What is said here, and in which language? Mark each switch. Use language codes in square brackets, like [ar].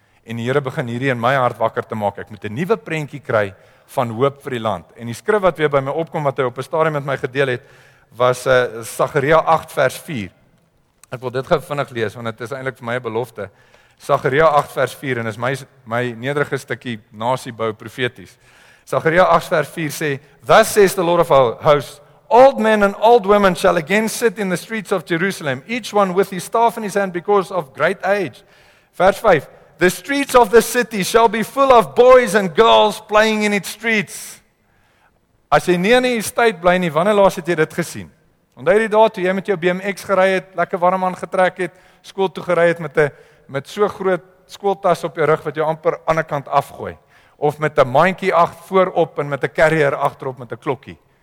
[af] En die Here begin hierdie in my hart wakker te maak. Ek moet 'n nuwe prentjie kry van hoop vir die land. En die skrif wat weer by my opkom, wat hy op 'n stadium met my gedeel het, was Sagaria 8 vers 4. Ek wil dit gou vinnig lees, want dit is eintlik vir my 'n belofte. Sagaria 8 vers 4, en is my nederige stukkie nasiebou profeties. Sagaria 8 vers 4 sê, [en] Thus says the Lord of hosts, Old men and old women shall again sit in the streets of Jerusalem, each one with his staff in his hand because of great age. Vers 5, The streets of the city shall be full of boys and girls playing in its streets. [af] As jy nie in die stad bly nie, wanneer laas het jy dit gesien? Onthou die dae toe jy met jou BMX gery het, lekker warm aangetrek het, skool toe gery het met so groot skooltas op jou rug wat jou amper aan die ander kant afgooi. Of met 'n mandjie ag voorop en met 'n carrier agterop met 'n klokkie.